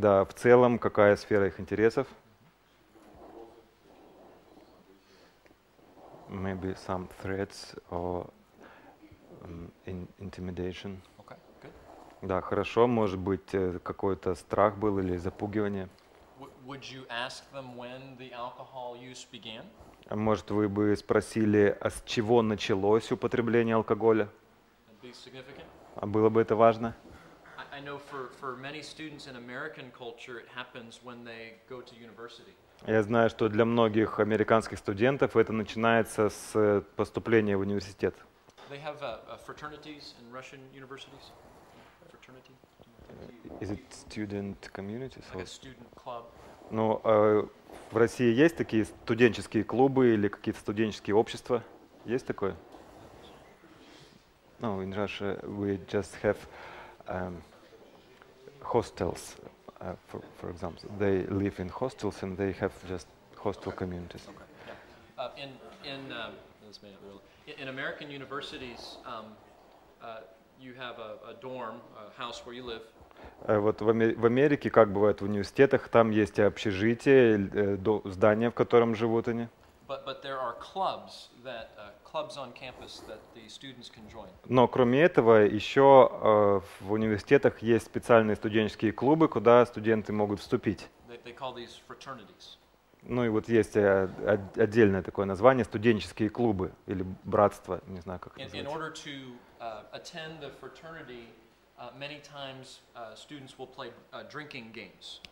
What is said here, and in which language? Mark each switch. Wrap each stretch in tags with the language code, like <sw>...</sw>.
<ru>Да, в целом какая сфера их интересов?</ru> <en>Maybe some threats or intimidation. Okay, good.</en> <ru>Да, хорошо, может быть, какой-то страх был или запугивание.</ru> <en>Would you ask them when the alcohol use began?</en> <ru>Может, вы бы спросили, а с чего началось употребление алкоголя?</ru> <en>That'd be significant.</en> <ru>А было бы это важно?</ru> <en>I know for many students in American culture it happens when they go to university.</en> <ru>Я знаю, что для многих американских студентов это начинается с поступления в университет.</ru> <en>They have fraternities in Russian universities. Fraternity? Is it student communities? Like a student club.</en> <ru>Ну, в России есть такие студенческие клубы или какие-то студенческие общества? Есть такое?</ru> <en>No, in Russia we just have hostels. For example, they live in hostels and they have just hostel okay. communities. Okay. Yeah. In American universities, you have a dorm, a house where you live.</en> <ru>Вот в Америке, как бывает в университетах, там есть общежитие, здание, в котором живут они.</ru> <en>But there are clubs that clubs on campus that the students can join.</en> <ru>Но кроме этого, еще в университетах есть специальные студенческие клубы, куда студенты могут вступить.</ru> <en>They call these fraternities.</en> <ru>Ну и вот есть отдельное такое название, студенческие клубы или братство, не знаю, как называется.</ru> <en>In order to attend the fraternity, many times students will play drinking games.</en>